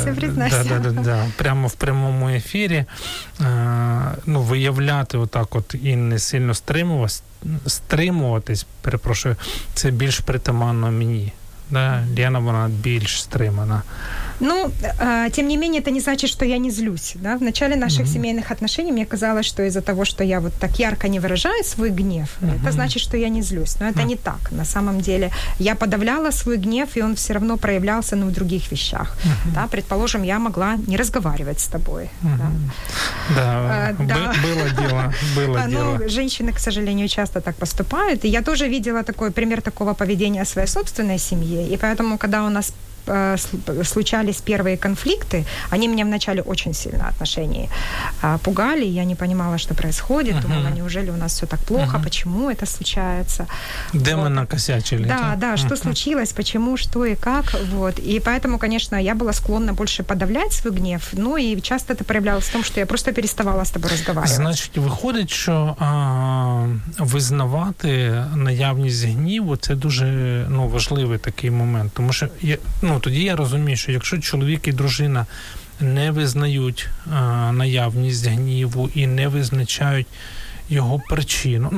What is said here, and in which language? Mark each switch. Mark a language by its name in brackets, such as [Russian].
[Russian] Признайся. [Ukrainian] Прямо в прямому ефірі виявляти отак от і не сильно стримуватись, перепрошую, це більш притаманно мені. Да, Лена, вона більш стримана. [Russian] Тем не менее, это не значит, что я не злюсь. Да? В начале наших mm-hmm. семейных отношений мне казалось, что из-за того, что я вот так ярко не выражаю свой гнев, mm-hmm. это значит, что я не злюсь. Но это mm-hmm. не так. На самом деле, я подавляла свой гнев, и он все равно проявлялся в других вещах. Mm-hmm. Да? Предположим, я могла не разговаривать с тобой. Mm-hmm. Да. Было дело. Женщины, к сожалению, часто так поступают. И я тоже видела такой пример такого поведения в своей собственной семье. И поэтому, когда у нас случались первые конфликты, они меня вначале очень сильно отношения пугали, я не понимала, что происходит, uh-huh. думала, неужели у нас все так плохо, uh-huh. почему это случается. Где мы накосячили? Да, да, что uh-huh. случилось, почему, что и как, вот. И поэтому, конечно, я была склонна больше подавлять свой гнев, ну и часто это проявлялось в том, что я просто переставала с тобой разговаривать. Значит, выходит, что [Ukrainian] визнавати наявність гніву – це дуже важливий такий момент. Тому що тоді я розумію, що якщо чоловік і дружина не визнають наявність гніву і не визначають його причину.